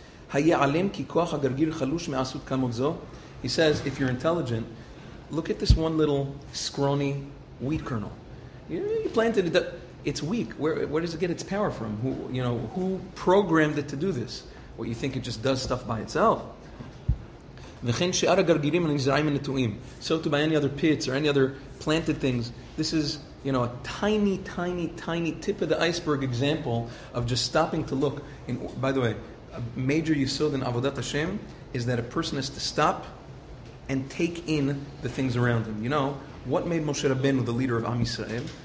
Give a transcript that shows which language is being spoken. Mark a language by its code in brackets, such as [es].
[he] Haya'alem ki koach hagargir chalush me'asut kamotzo. [en] He says, if you're intelligent, look at this one little scrawny wheat kernel. You planted it. It's weak. Where does it get its power from? Who programmed it to do this? What, you think it just does stuff by itself? [he] וכן שאר הגרגירים הנזרעים הנטועים. [en] So too by any other pits or any other planted things. This is, you know, a tiny, tiny, tiny tip of the iceberg example of just stopping to look. And by the way, a major yisod in Avodat Hashem is that a person has to stop and take in the things around him. You know, what made Moshe Rabbeinu the leader of Am Yisrael?